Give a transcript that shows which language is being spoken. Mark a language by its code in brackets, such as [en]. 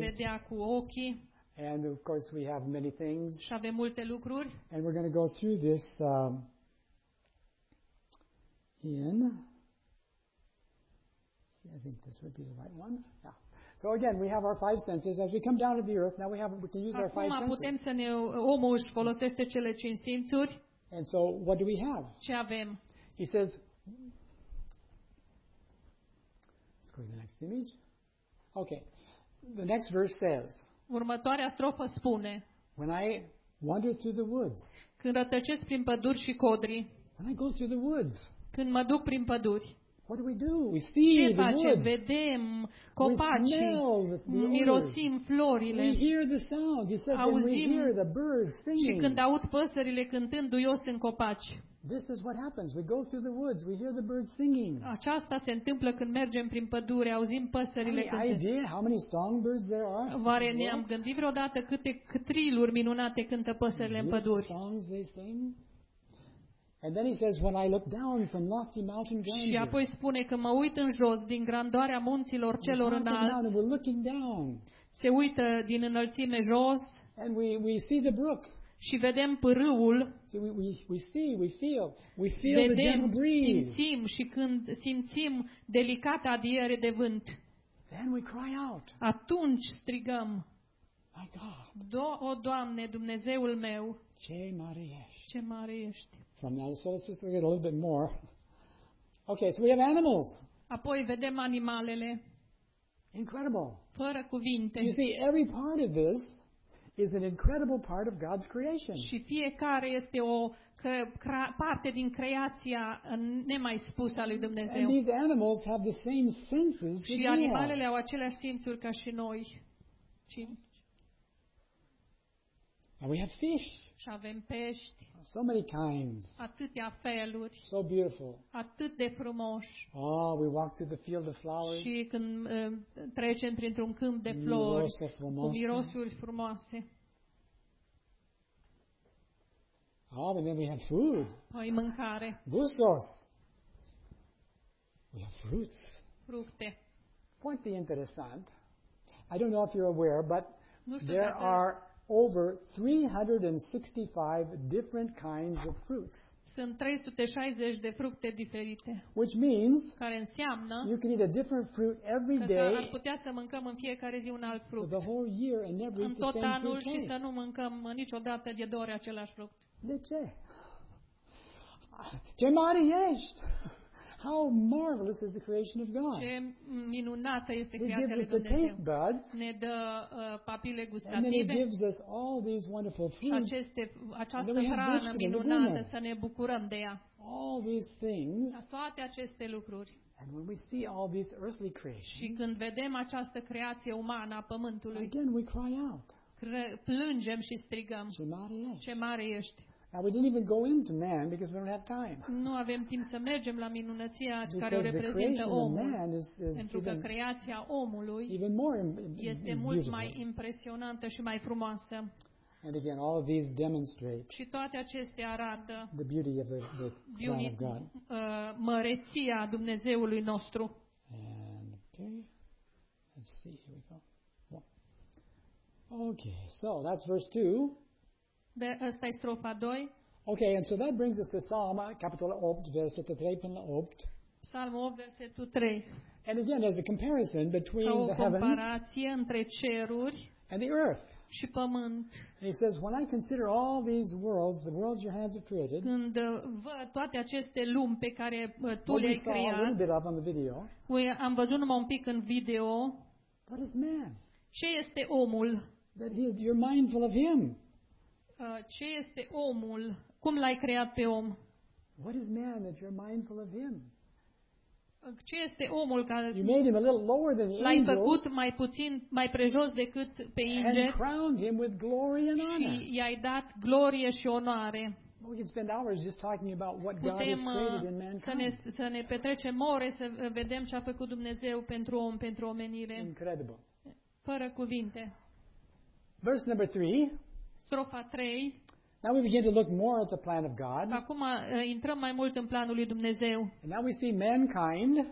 [ro] Vedea cu ochii. [en] And of course we have many things. [ro] Și avem multe lucruri. [en] And we're going to go through this I think this would be the right one. Yeah. So again, we have our five senses. As we come down to the earth, now we can use [ro] acum [en] our five senses. [ro] Acum putem să ne omul își folosește cele cinci simțuri. [en] And so what do we have? [ro] Ce avem? [en] He says, let's go to the next image. Okay. The next verse says, [ro] următoarea strofă spune: [en] when I wander through the woods. [ro] Când rătăcesc prin păduri și codri. [en] When I go through the woods. [ro] Când mă duc prin păduri. [en] What do we do? We see [ro] ce [en] the face? Woods. [ro] Vedem copaci. Mirosim florile. [en] We hear the sound. You said [ro] auzim, [en] we hear the birds singing. [ro] Și când aud păsările cântând duios în copaci. [en] This is what happens. We go through the woods. We hear the birds singing. [ro] Aceasta se întâmplă când mergem prin pădure, auzim păsările cântând. [en] Any idea how many songbirds there are? [ro] Oare ne-am gândit vreodată câte triluri minunate cântă păsările în păduri? [en] Songs they sing. And then he says, when I look down from lofty mountain grandeur. [ro] Și apoi spune că mă uit în jos din grandoarea munților celor înalți. [en] We're looking down. [ro] Se uită din înălțime jos. [en] And we see the brook. [ro] Și vedem pârâul. [en] See, we feel [ro] vedem, [en] the gentle breeze. [ro] Simțim și când simțim delicata adiere de vânt. [en] Then we cry out. [ro] Atunci strigăm. [en] My God. [ro] O Doamne, Dumnezeul meu. Ce mare ești. Ce mare ești. [en] From now, so let's just look at a little bit more. Okay, so we have animals. [ro] Apoi vedem animalele. [en] Incredible. [ro] Fără cuvinte. [en] You see, every part of this is an incredible part of God's creation. [ro] Și fiecare este o parte din creația nemaispusă a lui Dumnezeu. [en] And these animals have the same senses that we have. [ro] Și animalele au aceleași simțuri ca și noi. [en] And we have fish. [ro] Și avem pești. [en] So many kinds. [ro] Atâtea feluri. [en] So beautiful. [ro] Atât de frumoși. [en] Oh, we walk through the field of flowers. [ro] Și când trecem printr-un câmp de flori, cu mirosuri frumoase. [en] Oh, and then we have food. [ro] Păi mâncare. Gustos. [en] We have fruits. [ro] Fructe. Foarte interesant. [en] I don't know if you're aware, but [ro] nu știu [en] there [ro] dacă [en] are over 365 different kinds of fruits. [ro] Sunt 360 de fructe diferite. [en] Which means, [ro] care înseamnă, [en] you can eat a different fruit every day. [ro] Ar putea să mâncăm în fiecare zi un alt fruct. [en] The whole year and every [ro] în tot anul și să nu mâncăm niciodată de două ori același fruct. De ce? Ce mare ești! [en] How marvelous is the creation of God! [ro] Ce minunată este creația lui Dumnezeu. [en] It gives us the taste buds. [ro] Ne dă papile gustative. [en] And then it gives us all these wonderful foods. [ro] Această hrană minunată să ne bucurăm de ea. [en] All these things. [ro] Toate aceste lucruri. [en] And when we see all these earthly creations. [ro] Și când vedem această creație umană a pământului. [en] Again we cry out. [ro] Plângem și strigăm. Ce mare ești! [en] Now we didn't even go into man because we don't have time. [ro] Nu avem timp să mergem la minunăția care o reprezintă omul. Pentru că creația omului este mult mai impresionantă și mai frumoasă. [en] And again, all of these demonstrate. [ro] Și toate acestea arată [en] the beauty of the plan of God. [ro] Măreția Dumnezeului nostru. [en] And okay. Let's see. Here we go. Okay. So that's verse 2. [ro] Asta e strofa 2. [en] Okay, and so that brings us to Psalm [ro] capitolul 8, versetul 3 până la 8. Psalmul 8, versetul 3. [en] And again, there's a comparison between the heavens. [ro] O comparație între ceruri [en] and the earth. [ro] Și pământ. [en] And he says, when I consider all these worlds, the worlds your hands have created. [ro] Când văd toate aceste lumi pe care tu le-ai creat. [en] What we saw a little bit of on the video. [ro] Am văzut numai un pic în video. [en] What is man? [ro] Ce este omul? [en] That he is, you're mindful of him. [ro] Ce este omul? Cum l-ai creat pe om? [en] What is man that you're mindful of him? [ro] Ce este omul care [en] you made him a little lower than [ro] l-ai [en] angels, [ro] făcut mai puțin, mai prejos decât pe ingeri? [en] And crowned him with glory and honor. [ro] Și i-ai dat glorie și onoare. [en] We can spend hours just talking about what God has created in mankind. [ro] Să ne petrecem ore să vedem ce a făcut Dumnezeu pentru om, pentru omenire. [en] Incredible. [ro] Fără cuvinte. [en] Verse number 3. [ro] Strofa 3. [en] Now we begin to look more at the plan of God. [ro] Acum intrăm mai mult în planul lui Dumnezeu. [en] And now we see mankind.